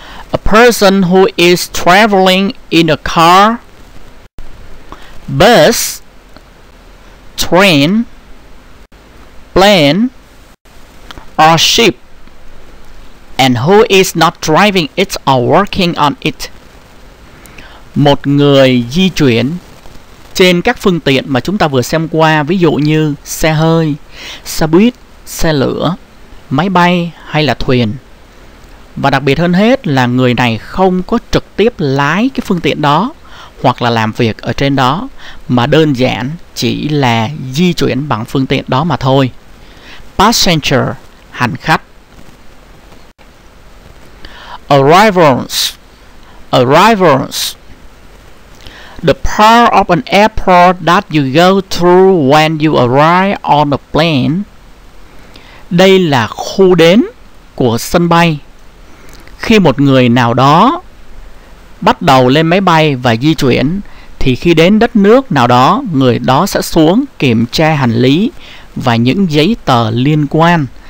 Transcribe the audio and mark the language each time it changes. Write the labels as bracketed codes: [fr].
[en] A person who is traveling in a car, bus, train, plane, or ship, and who is not driving it or working on it. [vi] Một người di chuyển trên các phương tiện mà chúng ta vừa xem qua, ví dụ như xe hơi, xe buýt, xe lửa, máy bay hay là thuyền. Và đặc biệt hơn hết là người này không có trực tiếp lái cái phương tiện đó hoặc là làm việc ở trên đó, mà đơn giản chỉ là di chuyển bằng phương tiện đó mà thôi. [en] Passenger, [vi] hành khách. [en] Arrivals. Arrivals. The part of an airport that you go through when you arrive on a plane. [vi] Đây là khu đến của sân bay. Khi một người nào đó bắt đầu lên máy bay và di chuyển, thì khi đến đất nước nào đó, người đó sẽ xuống kiểm tra hành lý và những giấy tờ liên quan.